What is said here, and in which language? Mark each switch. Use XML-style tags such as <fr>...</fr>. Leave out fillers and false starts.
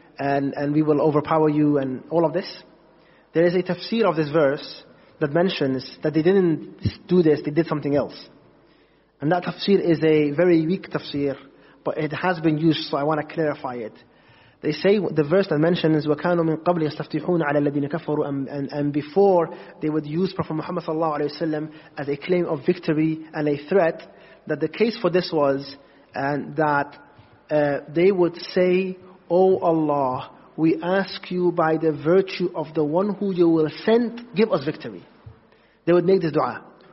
<en>And we will overpower you and all of this. There is a tafsir of this verse that mentions that they didn't do this, they did something else. And that tafsir is a very weak tafsir, but it has been used, so I want to clarify it.</en> <ar>They say, the verse that mentions, وَكَانُوا مِنْ قَبْلِ يَسْتَفْتِحُونَ عَلَى الَّذِينَ كَفَرُوا.</ar> <en>And before, they would use Prophet Muhammad sallallahu alayhi wa sallam as a claim of victory and a threat, that the case for this was, and that they would say, O Allah, we ask you by the virtue of the one who you will send, give us victory. They would make this dua.</en>